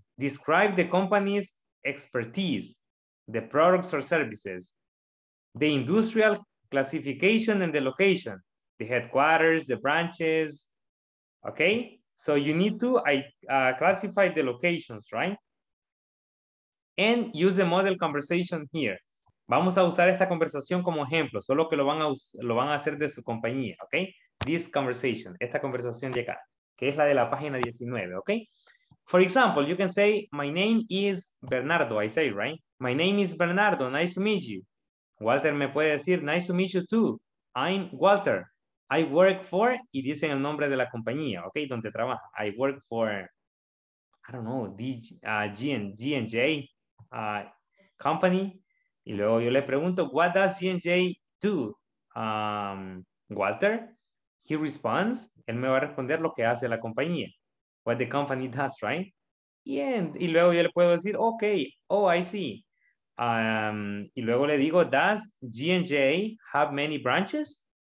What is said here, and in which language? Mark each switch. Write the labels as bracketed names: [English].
[English] Describe the company's expertise, the products or services. The industrial classification and the location, the headquarters, the branches, okay? So you need to classify the locations, right? And use the model conversation here. [Spanish] Vamos a usar esta conversación como ejemplo, solo que lo van a hacer de su compañía, okay? [English] This conversation, [Spanish] esta conversación de acá, que es la de la página 19, okay? [English] For example, you can say, my name is Bernardo, I say, right? My name is Bernardo, nice to meet you. Walter [Spanish] me puede decir, [English] nice to meet you too. I'm Walter. I work for, [Spanish] y dicen el nombre de la compañía, ok, donde trabaja. [English] I work for, I don't know, G&J company. [Spanish] Y luego yo le pregunto, [English] what does G&J do? [Spanish] Walter, [English] he responds, [Spanish] él me va a responder lo que hace la compañía. [English] What the company does, right? [Spanish] Y luego yo le puedo decir, ok, [English] oh, I see. [Spanish] Y luego le digo, [English] does G&J have many branches?